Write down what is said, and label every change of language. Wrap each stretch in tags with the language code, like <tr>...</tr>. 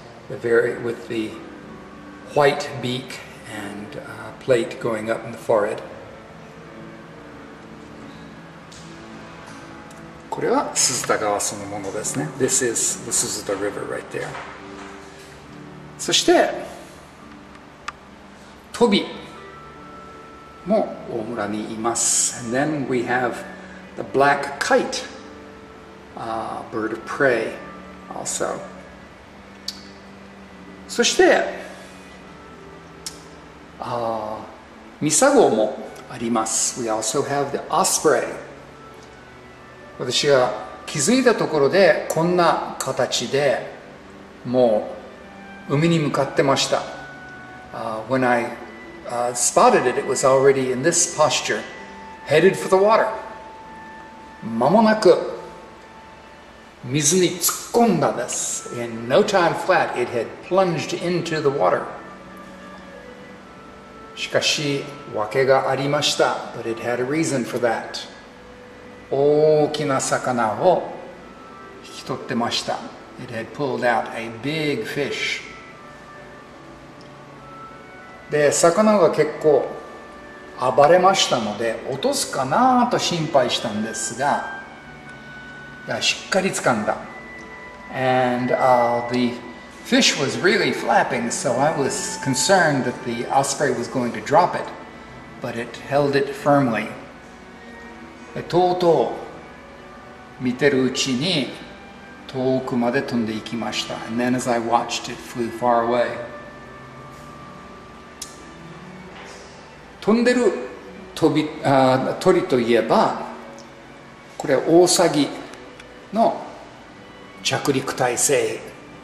<en>With the white beak and plate going up in the forehead.</en> <ja>これは鈴田川そのものですね。</ja> <en>This is the 鈴田 River right there.</en> <ja>そして、トビも大村にいます。</ja> <en>And then we have the black kite, bird of prey also.</en> <ja>そして、ミサゴもあります。</ja> <en>We also have the osprey.</en> <ja>私が気づいたところでこんな形でもう海に向かってました。</ja> <en>When I spotted it, it was already in this posture, headed for the water.</en> <ja>間もなく水に突っ込んだです。</ja> <en>In no time flat, it had plunged into the water.</en> <ja>しかし、訳がありました。</ja> <en>But it had a reason for that.</en> <ja>大きな魚を引き取ってました。</ja> <en>It had pulled out a big fish.</en> <ja>で、魚が結構暴れましたので、落とすかなと心配したんですが、しっかり掴んだ。</ja> <en>And the fish was really flapping, so I was concerned that the osprey was going to drop it, but it held it firmly.</en> <ja>とうとう見てるうちに遠くまで飛んでいきました。</ja> <en>And then as I watched, it flew far away.</en> <ja>飛んでる鳥といえば、これオオサギの着陸態勢。</ja>